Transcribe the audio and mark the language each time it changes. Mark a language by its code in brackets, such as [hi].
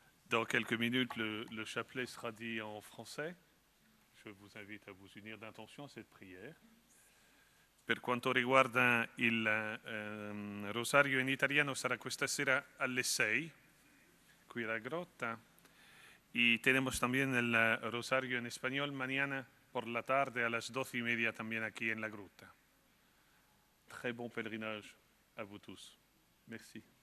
[fr] Dans quelques minutes, le chapelet sera dit en français. Je vous invite à vous unir d'intention à cette prière. [it] Per quanto riguarda il rosario in italiano, sarà questa sera alle 6, qui alla grotta. [es] Y tenemos también el rosario en español mañana por la tarde a las 12 y media también aquí en la grotta. [fr] Très bon pèlerinage à vous tous. Merci.